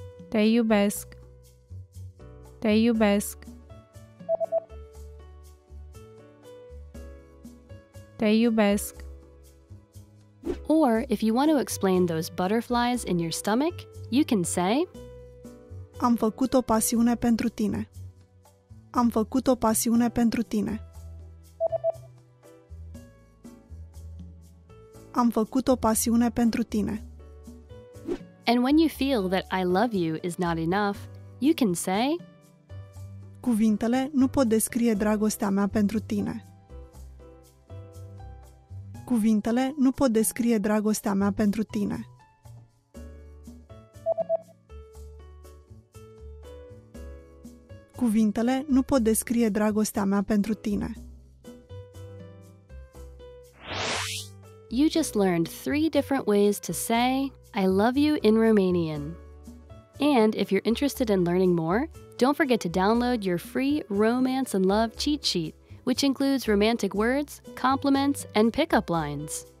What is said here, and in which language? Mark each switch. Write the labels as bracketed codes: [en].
[ro] Te iubesc. Te iubesc. Te iubesc. [en] Or if you want to explain those butterflies in your stomach, you can say [ro] am făcut o pasiune pentru tine. Am făcut o pasiune pentru tine. Am făcut o pasiune pentru tine. [en] And when you feel that I love you is not enough, you can say [ro] cuvintele nu pot descrie dragostea mea pentru tine. Cuvintele nu pot descrie dragostea mea pentru tine. Cuvintele nu pot descrie dragostea mea pentru tine. [en] You just learned 3 different ways to say I love you in Romanian. And if you're interested in learning more, don't forget to download your free Romance and Love cheat sheet, which includes romantic words, compliments, and pickup lines.